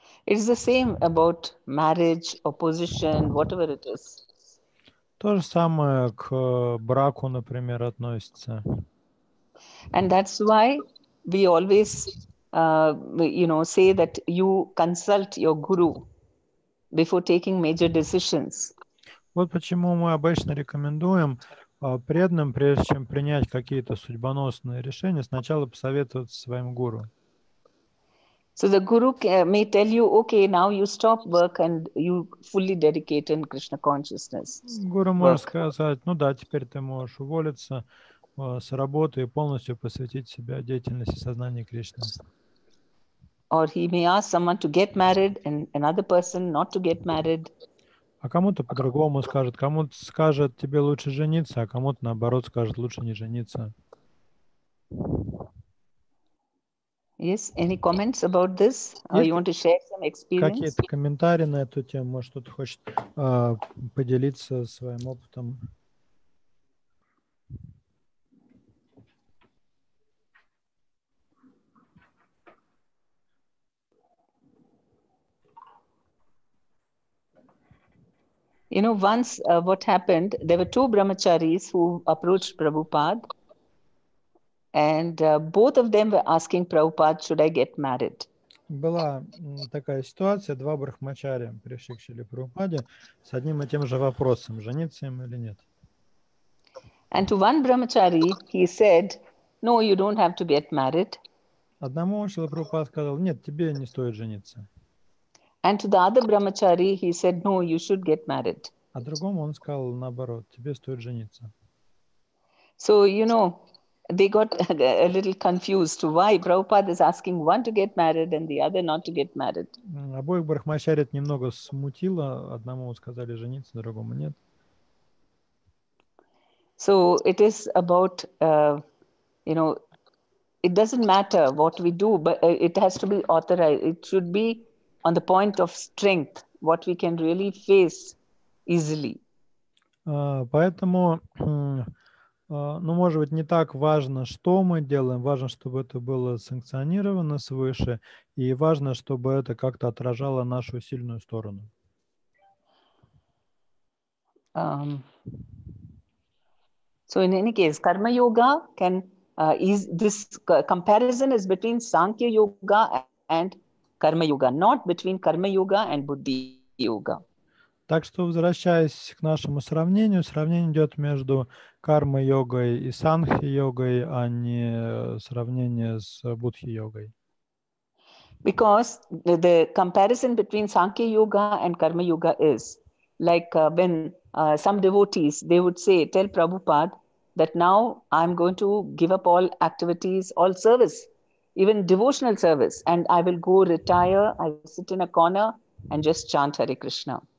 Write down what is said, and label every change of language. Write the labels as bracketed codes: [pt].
[en] It's the same about marriage, opposition, whatever it is. [ru] То же самое к браку, например, относится. [en] And that's why we always, you know, say that you consult your guru before taking major decisions. [ru] Вот почему мы обычно рекомендуем преданным, прежде чем принять какие-то судьбоносные решения, сначала посоветоваться своим гуру. [en] So the guru may tell you, okay, now you stop work and you fully dedicate in Krishna consciousness. [ru] Guru может сказать, ну да, теперь ты можешь уволиться с работы и полностью посвятить себя деятельности сознания Кришны. [en] Or he may ask someone to get married and another person not to get married. [ru] А кому-то по-другому скажет. Кому-то скажет, тебе лучше жениться, а кому-то, наоборот, скажет, лучше не жениться. [en] Yes, any comments about this? Or you want to share some experience? [ru] Какие-то комментарии на эту тему? Может, кто-то хочет поделиться своим опытом? [en] You know, once what happened, there were two brahmacharis who approached Prabhupada. And both of them were asking Prabhupada, should I get married? [ru] Была такая ситуация, два брахмачария пришли к Шриле Прабхупаде с одним и тем же вопросом, жениться им или нет. [en] And to one brahmachari, he said, no, you don't have to get married. [ru] Одному Шриле Прабхупаде сказал, нет, тебе не стоит жениться. [en] And to the other brahmachari, he said, no, you should get married. [ru] А другому он сказал наоборот, тебе стоит жениться. [en] So, you know, they got a little confused why Prabhupada is asking one to get married and the other not to get married. [ru] Обоих брахмачари это немного смутило. Одному сказали жениться, другому нет. [en] So it is about, you know, it doesn't matter what we do, but it has to be authorized. It should be on the point of strength, what we can really face easily. [ru] Поэтому... Ну, может быть, не так важно, что мы делаем, важно, чтобы это было санкционировано свыше, и важно, чтобы это как-то отражало нашу сильную сторону. [en] So in any case, karma yoga can is this comparison is between sankhya yoga and karma yoga, not between karma yoga and buddhi yoga. [ru] Так что, возвращаясь к нашему сравнению, сравнение идет между карма-йогой и санхи-йогой, а не сравнение с будхи-йогой. [en] Because the comparison between Sankhya Yoga and Karma Yoga is like when some devotees, they would say, tell Prabhupada that now I'm going to give up all activities, all service, even devotional service, and I will go retire, I will sit in a corner and just chant Hare Krishna.